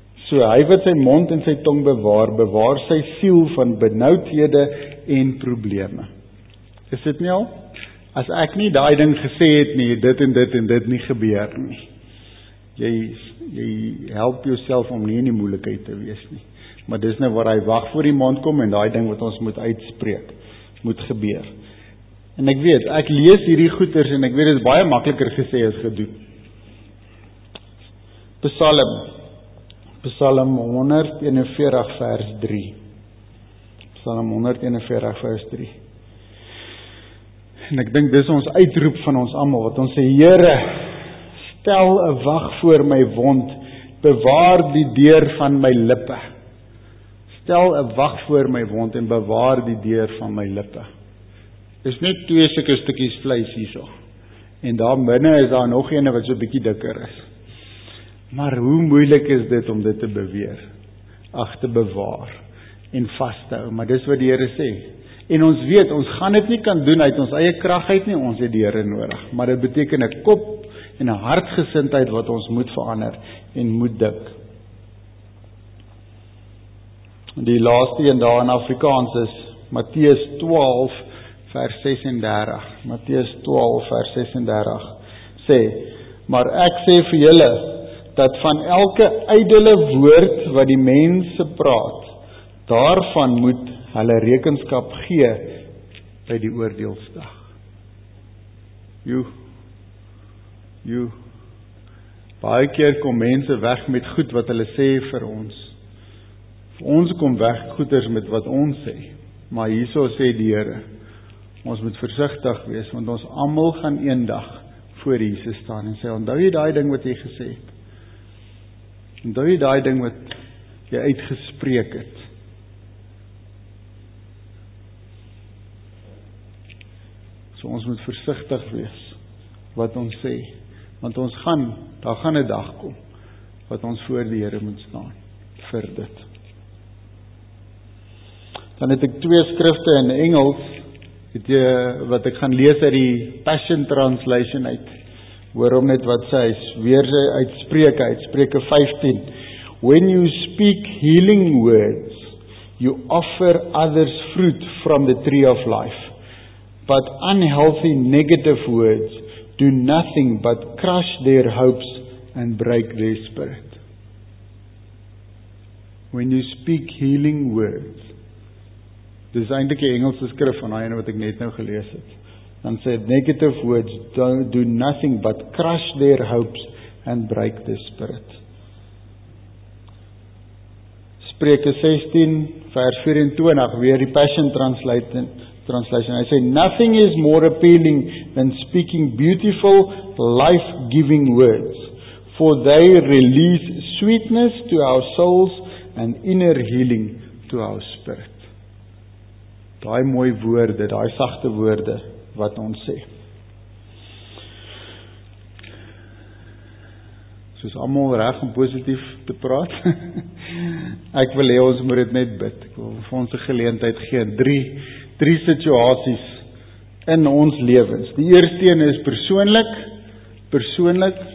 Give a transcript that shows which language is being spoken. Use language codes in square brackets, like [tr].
[af] So hy wat sy mond en sy tong bewaar, bewaar sy siel van benoudhede en probleme. Is dit nie al? As ek nie daai ding gesê het nie, dit en dit en dit nie gebeur nie. Jy help jouself om nie in die moeilikheid te wees nie. Maar dis nou waar hy wag voor die mond kom en daai ding wat ons moet uitspreek, moet gebeur. En ek weet, ek lees hierdie goeters en ek weet, dit is baie makliker gesê as gedoen. Psalm 141 vers 3. Psalm 141 vers 3. En ek dink dis ons uitroep van ons allemaal, wat ons sê, Here, stel 'n wag voor my wond, bewaar die deur van my lippe. Stel 'n wag voor my wond en bewaar die deur van my lippe. Is net twee sulke stukkies vleis hierso. En daar binne is daar nog een wat so 'n bietjie dikker is. Maar hoe moeilik is dit om dit te beweer, ag te bewaar en vas te hou, maar dis wat die Here sê. En ons weet, ons gaan dit nie kan doen uit ons eie kragheid nie, ons het die Here nodig. Maar dit beteken 'n kop en 'n hartgesindheid wat ons moet verander en moet dik. Die laaste een daar in Afrikaans is Matteus 12 vers 36. Matteus 12 vers 36 sê, maar ek sê vir julle, dat van elke ydele woord wat die mense praat, daarvan moet hulle rekenskap gee by die oordeelsdag. Joe, baie keer kom mense weg met goed wat hulle sê vir ons. Vir ons kom weg goeders met wat ons sê. Maar hierso sê die Here, ons moet versigtig wees, want ons almal gaan eendag voor Jesus staan en sê, onthou jy daai ding wat jy gesê het? Onthou jy daai ding wat jy uitgespreek het? So ons moet versigtig wees wat ons sê, want ons gaan, daar gaan 'n dag kom wat ons voor die Here moet staan vir dit. Dan het ek twee skrifte in Engels het jy, wat ek gaan lees uit die Passion Translation uit. Hoor hom net wat sê, weer sy uitspreek, Spreuke 15. [en] When you speak healing words, you offer others fruit from the tree of life. But unhealthy negative words do nothing but crush their hopes and break their spirit. When you speak healing words, [af] dis is eintlik die Engelse skrif van die ene wat ek net nou gelees het, dan sê [en] negative words do nothing but crush their hopes and break their spirit. [af] Spreuke 16 vers 24, weer die [en] Passion Translation, I say, nothing is more appealing than speaking beautiful, life-giving words, for they release sweetness to our souls and inner healing to our spirit. [af] Daai mooi woorde, daai sagte woorde wat ons sê. soos almal reg en positief te praat. Ek wil hê ons moet dit net bid. Ek wil vir ons 'n geleentheid gee. Drie situasies in ons lewens. Die eerste een is persoonlik.